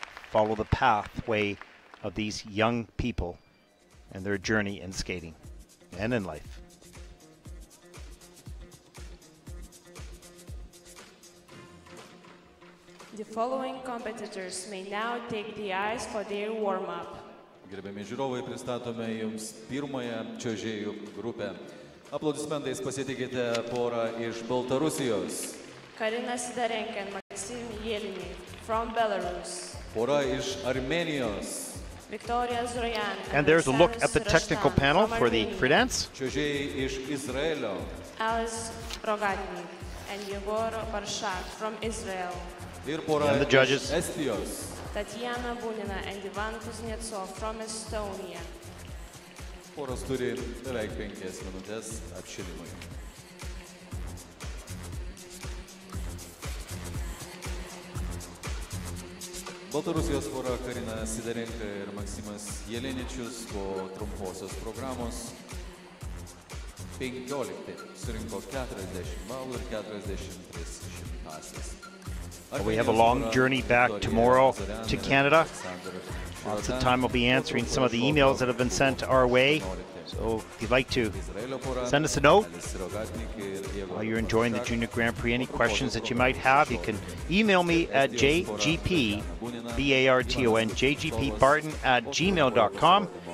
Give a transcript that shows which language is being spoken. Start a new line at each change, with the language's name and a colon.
English: Follow the pathway of these young people and their journey in skating and in life. The following competitors may now take the ice for their warm-up.
Lithuanian: Gerbiami žiūrovai, pristatome jums pirmąją čiuožėjų grupę. Aplodismentais pasitikite porą iš Baltarusijos.
English: Karina Sidarenka and Maxim Yelini from Belarus.
Lithuanian: Pora iš Armenijos. Viktorija Zrojan.
English: And there's a look at the technical panel for the free dance.
Lithuanian: Čiuožėjai iš Izraelio.
English: Alice Rogatny and Yegor Barshak from Israel. And the judges, Estios. Tatiana Bunina and Ivan Kuznetsov from Estonia.
Lithuanian: Poros turi beveik 5 minutės apšilimui. Baltarusijos pora Karina Sidarenka ir Maksimas Jeleničius po trumposios programos 15 surinko 40 balų ir 43 šimtasis.
English: We have a long journey back tomorrow to Canada. Lots of time we'll be answering some of the emails that have been sent our way. So if you'd like to send us a note while you're enjoying the Junior Grand Prix, any questions that you might have, you can email me at jgpbarton@gmail.com.